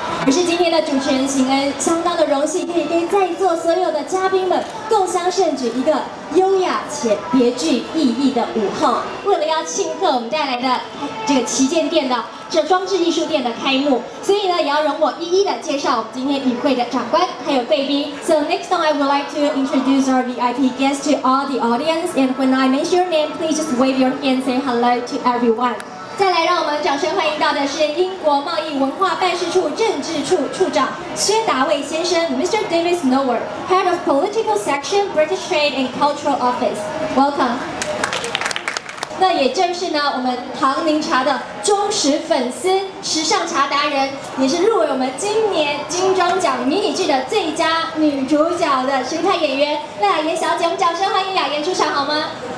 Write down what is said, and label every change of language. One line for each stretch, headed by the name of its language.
Chinese: 我是今天的主持人行恩，相当的荣幸可以跟在座所有的嘉宾们共襄盛举一个优雅且别具意义的午后。为了要庆贺我们带来的这个旗舰店的这装置艺术店的开幕，所以呢，也要容我一一的介绍我们今天与会的长官还有贵宾。
English: So next time I would like to introduce our VIP guest to all the audience, and when I mention your name, please just wave your hand, say hello to everyone.
Chinese: 再来，让我们掌声欢迎到的是英国贸易文化办事处政治处处长薛达卫先生 ，Mr.
English: David Snower, Head of Political Section, British Trade and Cultural Office. Welcome.
Chinese: 那也正是呢，我们唐宁茶的忠实粉丝、时尚茶达人，也是入围我们今年金钟奖迷你剧的最佳女主角的神探演员雅妍小姐，我们掌声欢迎雅妍出场好吗？